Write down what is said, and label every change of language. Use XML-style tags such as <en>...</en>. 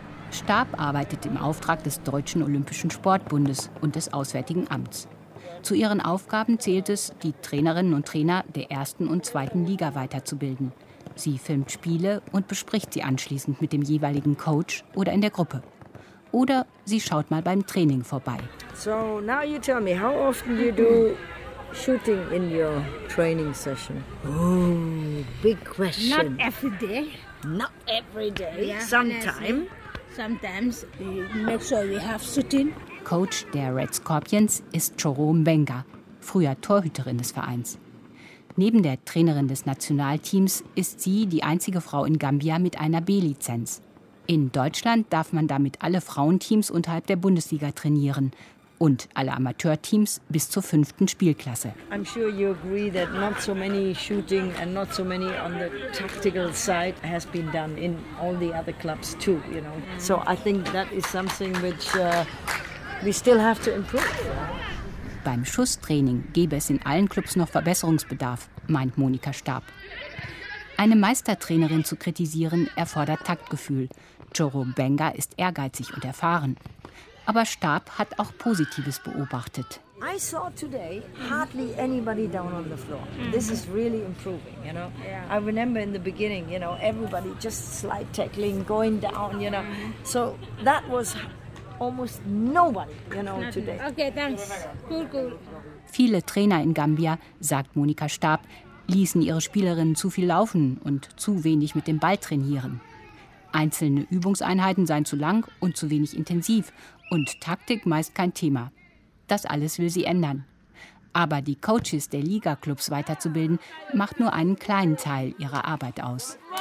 <de>Stab arbeitet im Auftrag des Deutschen Olympischen Sportbundes und des Auswärtigen Amts. Zu ihren Aufgaben zählt es, die Trainerinnen und Trainer der ersten und zweiten Liga weiterzubilden. Sie filmt Spiele und bespricht sie anschließend mit dem jeweiligen Coach oder in der Gruppe. Oder sie schaut mal beim Training vorbei.</de> <en>So, now you tell me, how often you do shooting in your training session? Oh, big question. Not every day. Not every day. Yeah. Sometimes we make sure we have shooting.</en> <de>Coach der Red Scorpions ist Choro Mbenga, früher Torhüterin des Vereins. Neben der Trainerin des Nationalteams ist sie die einzige Frau in Gambia mit einer B-Lizenz. In Deutschland darf man damit alle Frauenteams unterhalb der Bundesliga trainieren. Und alle Amateurteams bis zur fünften Spielklasse.</de> <en>I'm sure you agree that not so many shooting and not so many on the tactical side has been done in all the other clubs too, you know. So I think that is something which we still have to improve.</en> <de>Beim Schusstraining gäbe es in allen Clubs noch Verbesserungsbedarf, meint Monika Stab. Eine Meistertrainerin zu kritisieren erfordert Taktgefühl. Choro Benga ist ehrgeizig und erfahren. Aber Stab hat auch Positives beobachtet.</de> <en>I saw today hardly anybody down on the floor. This is really improving, you know. I remember in the beginning, you know, everybody just slide tackling, going down, you know. So that was almost nobody, you know, today. Okay, thanks. Cool, cool.</en> <de>Viele Trainer in Gambia, sagt Monika Stab, ließen ihre Spielerinnen zu viel laufen und zu wenig mit dem Ball trainieren. Einzelne Übungseinheiten seien zu lang und zu wenig intensiv und Taktik meist kein Thema. Das alles will sie ändern. Aber die Coaches der Liga-Clubs weiterzubilden, macht nur einen kleinen Teil ihrer Arbeit aus.</de>